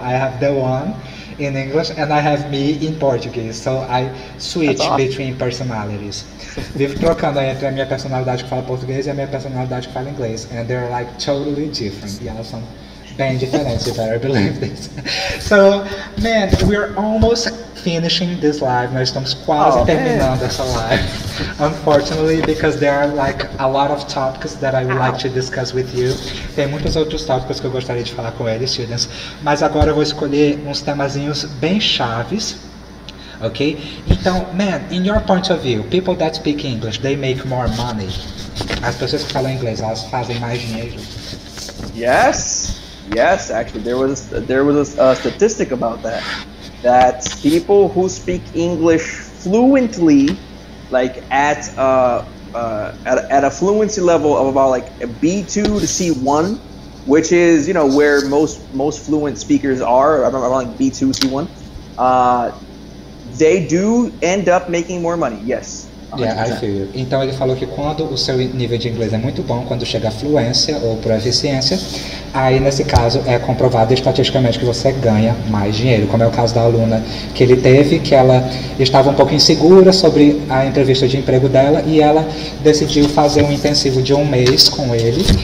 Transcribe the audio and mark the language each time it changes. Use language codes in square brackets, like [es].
[en] I have the one in English and I have me in Portuguese. So I switch between personalities. [pt] Vivo trocando entre a minha personalidade que fala português e a minha personalidade que fala inglês. [en] And they're like totally different. [pt] E elas são bem diferentes, [en] you better believe this. So, man, we're almost finishing this live. [pt] Nós estamos quase terminando essa live. [en] Unfortunately, because there are like a lot of topics that I would like to discuss with you. [pt] Tem muitos outros tópicos que eu gostaria de falar com eles, students. Mas agora eu vou escolher uns temazinhos bem chaves. Ok? [en] Então, man, in your point of view, people that speak English, they make more money. [pt] As pessoas que falam inglês, elas fazem mais dinheiro. [en] Yes. Yes, actually, there was a statistic about that. That people who speak English fluently, like at a fluency level of about like a B2 to C1, which is, you know, where most fluent speakers are, around like B2, C1, they do end up making more money. Yes. 100%. Yeah, I feel you. [pt] Então ele falou que quando o seu nível de inglês é muito bom, quando chega a fluência ou proficiência, aí nesse caso é comprovado estatisticamente que você ganha mais dinheiro. Como é o caso da aluna que ele teve, que ela estava um pouco insegura sobre a entrevista de emprego dela e ela decidiu fazer um intensivo de um mês com ele.